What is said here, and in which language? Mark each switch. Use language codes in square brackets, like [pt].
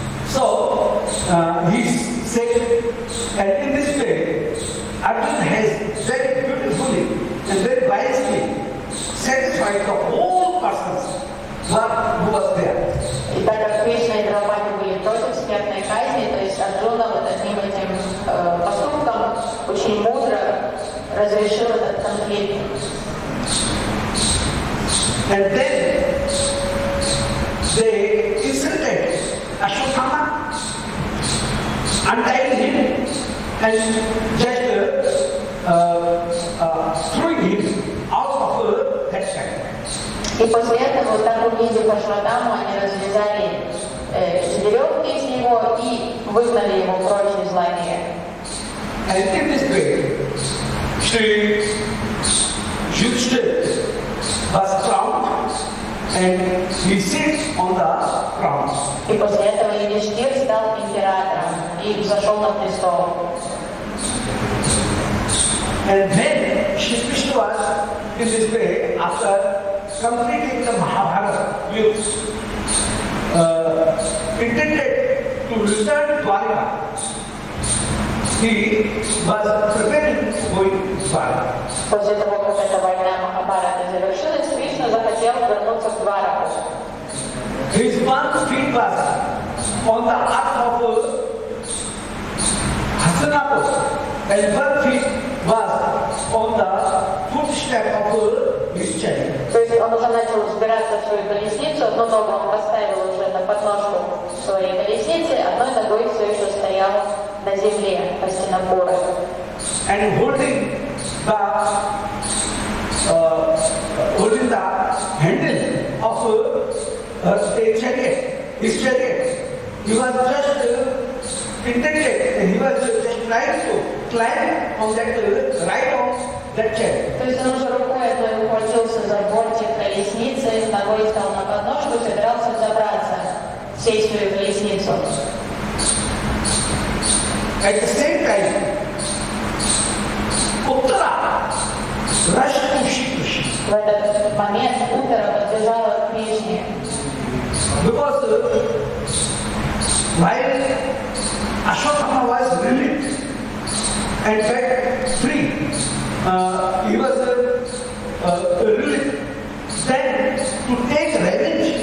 [en] So he said, and in this way, Arjuna has very beautifully and very wisely satisfied the whole persons who was there. [ru] И так как Кришна и Драупади были против смертной казни, то есть Арджуна вот одним этим поступком очень мудро разрешил этот конфликт. [en] And then they insulted Ashwatthama, untied him, and just throwing him out of her headstack. [ru] И после этого, так увидев Ашватаму, они развязали веревки из него и выгнали его прочь из лагеря. [en] And in this way, Shri Yudhishthira was crowned and he sits on the crown. [ru] И после этого Юдиштхир стал императором и взошел на престол. [en] And then Shri Krishna was in this way after completing the Mahabharata, he intended to return to Dvaraka. He was preparing to go to Dvaraka. [ru] После того, как эта война Махабхарата завершилась, Кришна захотел вернуться в Двараку. [en] His one feet was on the earth of Hastinapur, and one feet was on the footstep of [ru] То есть он уже начал взбираться в свою колесницу, одну ногу он поставил уже на подножку своей колесницы, одной ногой все еще стоял на земле, почти на порах. [en] And holding the handle of his chariot, he was just intended, and he was trying to climb on that right on that chair. [ru] То есть он уже рукой этой ухватился за бортик колесницы, и ногой стал на подножку, собирался забраться, сесть в колесницу. [en] At the same time, Uttara rushed to Shri Krishna. [ru] В этот момент Uttara подбежала к Кришне. [en] Because while Ashwatthama was released and set free, he was released then to take revenge.